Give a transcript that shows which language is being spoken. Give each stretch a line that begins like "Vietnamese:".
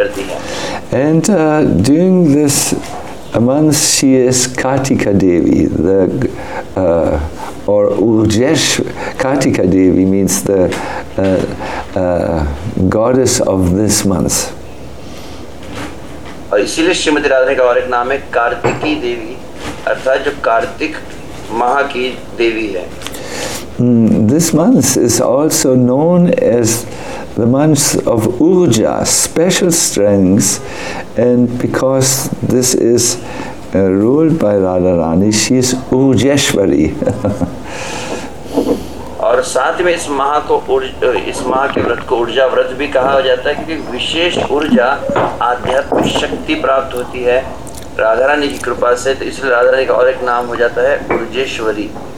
English: And during this month, she is Kartika Devi, the or Urjesh. Kartika Devi means the goddess of this month.
Hindi: And इसीलिए श्रीमती राधे का और एक नाम है कार्तिकी देवी, अर्थात जो कार्तिक माह की देवी है.
English: This month is also known as the month of Urja, special strength, and because this is ruled by Radharani, she is Urjeshwari.
Hindi: और साथ में इस माह को इस माह के व्रत को ऊर्जा व्रत भी कहा जाता है क्योंकि विशेष ऊर्जा आध्यात्मिक शक्ति प्राप्त होती है राधारानी की कृपा से, तो इसलिए राधारानी का और एक नाम हो जाता है उर्जेश्वरी.